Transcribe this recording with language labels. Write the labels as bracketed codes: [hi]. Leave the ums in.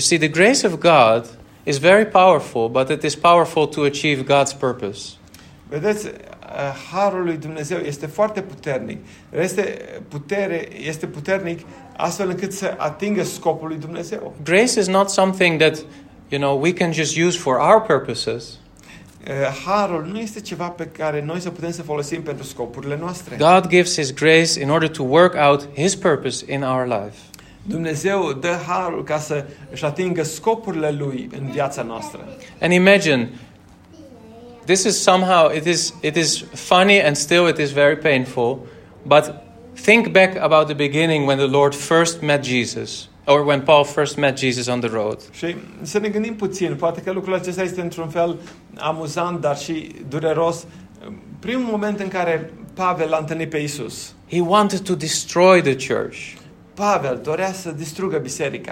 [en] see the grace of God is very powerful, but it is powerful to achieve God's purpose. [ro] Vedeți, harul lui Dumnezeu este foarte puternic. Este putere, este puternic astfel încât să atingă scopul lui Dumnezeu. [en] Grace is not something that you know we can just use for our purposes. [ro] Harul nu este ceva pe care noi să putem să folosim pentru scopurile noastre. [en] God gives his grace in order to work out his purpose in our life. [ro] Dumnezeu dă harul ca să își atingă scopurile lui în viața noastră. [en] And imagine this is somehow it is it is funny and still it is very painful but think back about the beginning when the lord first met jesus or when paul first met jesus on the road și [ro] să ne gândim puțin poate că lucrul acesta este într amuzant dar și dureros primul moment în care pavel l-a întâlnit [en] he wanted to destroy the church [ro] pavel dorea să distrugă biserica